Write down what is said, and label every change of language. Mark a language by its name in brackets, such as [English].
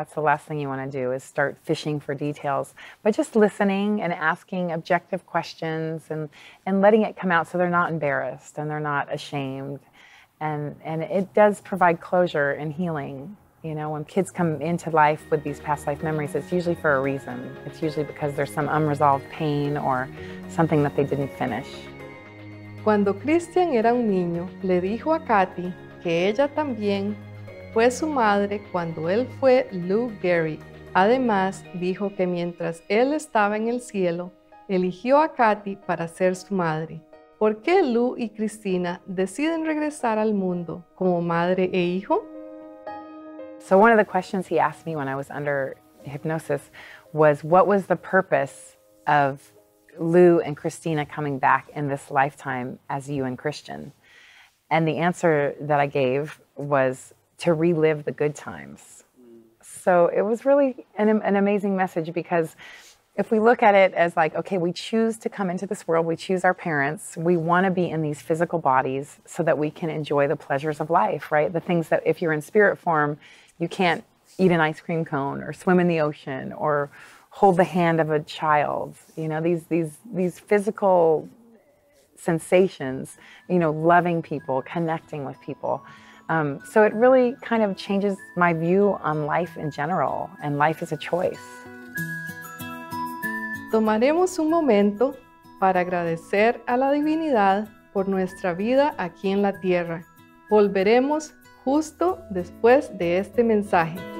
[English] That's the last thing you want to do, is start fishing for details, but just listening and asking objective questions and letting it come out so they're not embarrassed and they're not ashamed. And it does provide closure and healing. You know, when kids come into life with these past life memories, it's usually for a reason. It's usually because there's some unresolved pain or something that they didn't finish. [Spanish] Cuando Christian era un niño, le dijo a Kathy que ella también fue su madre cuando él fue Lou Gehrig. Además, dijo que mientras él estaba en el cielo, eligió a Kathy para ser su madre. ¿Por qué Lou y Cristina deciden regresar al mundo como madre e hijo? [English] So one of the questions he asked me when I was under hypnosis was, what was the purpose of Lou and Christina coming back in this lifetime as you and Christian? And the answer that I gave was to relive the good times. So it was really an amazing message, because if we look at it as like, okay, we choose to come into this world, we choose our parents, we want to be in these physical bodies so that we can enjoy the pleasures of life, right? The things that if you're in spirit form, you can't eat an ice cream cone or swim in the ocean or hold the hand of a child, you know, these physical sensations, you know, loving people, connecting with people. So it really kind of changes my view on life in general, and life is a choice. [Spanish] Tomaremos un momento para agradecer a la divinidad por nuestra vida aquí en la tierra. Volveremos justo después de este mensaje.